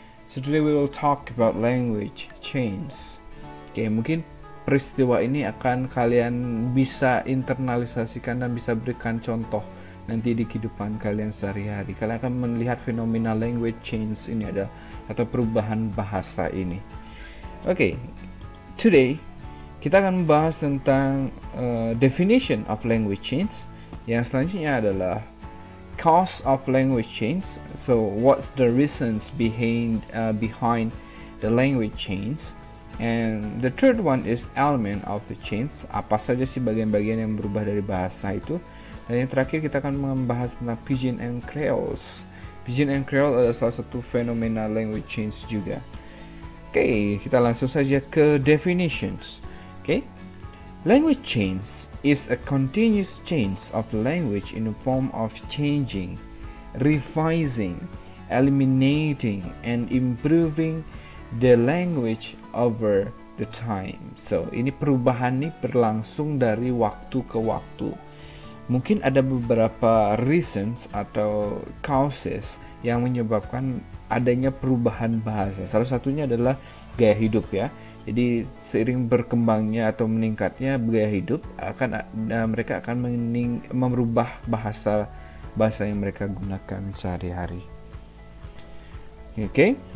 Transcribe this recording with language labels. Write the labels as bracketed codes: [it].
[en] So today we will talk about language change. [id] Okay, mungkin peristiwa ini akan kalian bisa internalisasikan dan bisa berikan contoh nanti di kehidupan kalian sehari-hari. Kalian akan melihat fenomena language change ini ada atau perubahan bahasa ini. [en] Okay, today [id] kita akan membahas tentang [en] definition of language change. [id] Yang selanjutnya adalah [en] cause of language change. So, what's the reasons behind the language change? And the third one is element of the change. [id] Apa saja sih bagian-bagian yang berubah dari bahasa itu? Dan yang terakhir kita akan membahas tentang Pidgin and Creoles. Pidgin and Creoles adalah salah satu fenomena language change juga. Okay, kita langsung saja ke definitions. Okay. [en] Language change is a continuous change of the language in the form of changing, revising, eliminating, and improving the language over the time. [id] So, ini perubahan ini berlangsung dari waktu ke waktu. Mungkin ada beberapa reasons atau causes yang menyebabkan adanya perubahan bahasa. Salah satunya adalah gaya hidup ya. Jadi seiring berkembangnya atau meningkatnya gaya hidup, mereka akan merubah bahasa yang mereka gunakan sehari-hari. Okay.